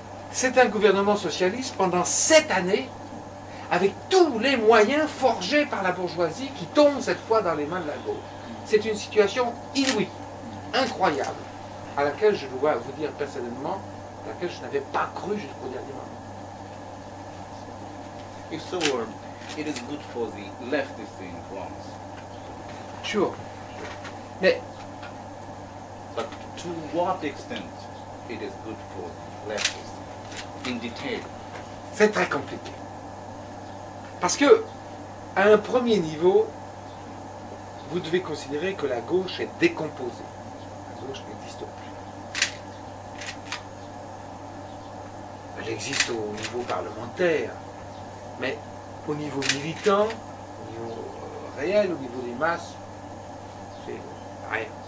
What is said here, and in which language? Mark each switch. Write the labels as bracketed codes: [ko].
[fr] C'est un gouvernement socialiste pendant 7 années, avec tous les moyens forgés par la bourgeoisie, qui tombe cette fois dans les mains de la gauche. C'est une situation inouïe, incroyable, à laquelle je dois vous dire personnellement, à laquelle je n'avais pas cru jusqu'au dernier moment. [en] If so, it is good for the leftist in France. Sure. Mais. But to what extent it is good for leftists in detail? [fr] C'est très compliqué. Parce que, à un premier niveau, vous devez considérer que la gauche est décomposée. La gauche n'existe plus. Elle existe au niveau parlementaire, mais au niveau militant, au niveau réel, au niveau des masses, c'est rien.